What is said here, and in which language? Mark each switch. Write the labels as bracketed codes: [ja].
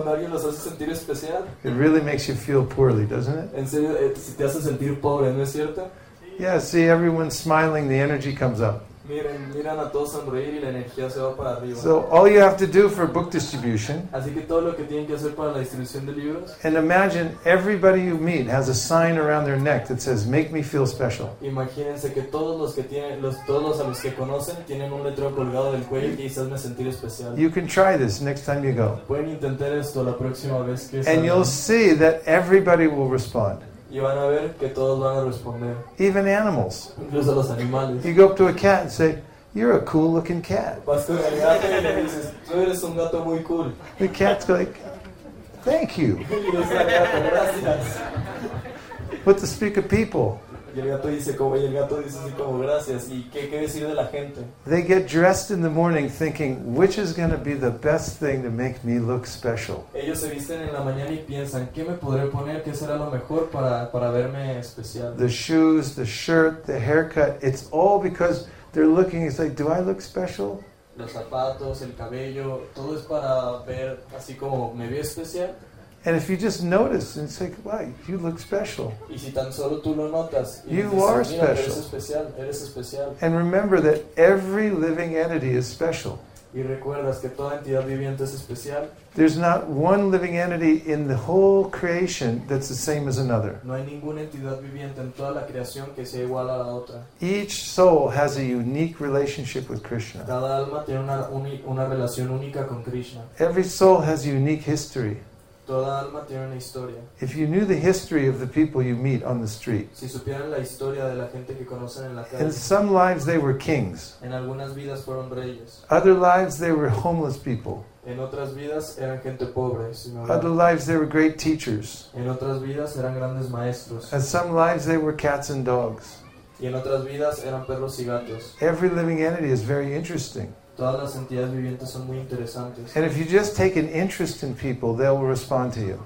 [en] It really makes you feel poorly, doesn't it? Yeah, see, everyone's smiling, the energy comes up. [es] Miran a todos sonreír y la energía se va para arriba. [en] So all you have to do for book distribution. [es] Así que todo lo que tienen que hacer para la distribución de libros. [en] And imagine everybody you meet has a sign around their neck that says, "Make me feel special." [es] Imagínense que todos los que conocen tienen un letrero colgado del cuello que dice, "Hazme sentir especial." [en] You can try this next time you go. [es] Pueden intentar esto la próxima vez que. [en] And you'll see that everybody will respond. [es] Y van a ver que todos van a responder. [en] Even animals. [es] Incluso los animales. [en] You go up to a cat and say, "You're a cool looking cat." [es] Vas con el gato y le dices, "Tú eres un gato muy cool." [en] The cat's like, "Thank you." [es] Y le dice al gato, "Gracias." [en] What to speak of people? [es] Y el gato dice así como, "Gracias." ¿Y qué decir de la gente? [en] They get dressed in the morning thinking, "Which is going to be the best thing to make me look special?" [es] Ellos se visten en la mañana y piensan, "¿Qué me podré poner? ¿Qué será lo mejor para verme especial?" [en] The shoes, the shirt, the haircut, it's all because they're looking, it's like, "Do I look special?" [es] Los zapatos, el cabello, todo es para ver así como, "¿Me veo especial?" [en] And if you just notice and say, "Wow, you look special." [es] Y si tan solo tú lo notas, [en] you [es] dices, [en] are special. [es] Eres especial, eres especial. [en] And remember that every living entity is special. [es] Y recuerdas que toda entidad viviente es especial. [en] There's not one living entity in the whole creation that's the same as another. [es] No hay ninguna entidad viviente en toda la creación que sea igual a la otra. [en] Each soul has a unique relationship with Krishna. [es] Cada alma tiene una relación única con Krishna. [en] Every soul has a unique history. [es] Toda alma tiene una historia. [en] If you knew the history of the people you meet on the street, [es] si supieran la historia de la gente que conocen en la calle, [en] in some lives they were kings. [es] En algunas vidas fueron reyes. [en] Other lives they were homeless people. [es] En otras vidas eran gente pobre. [en] Other lives they were great teachers. [es] En otras vidas eran grandes maestros. [en] And some lives they were cats and dogs. [es] Y en otras vidas eran perros y gatos. [en] Every living entity is very interesting. [es] Todas las entidades vivientes son muy interesantes. [en] And if you just take an interest in people, they will respond to you.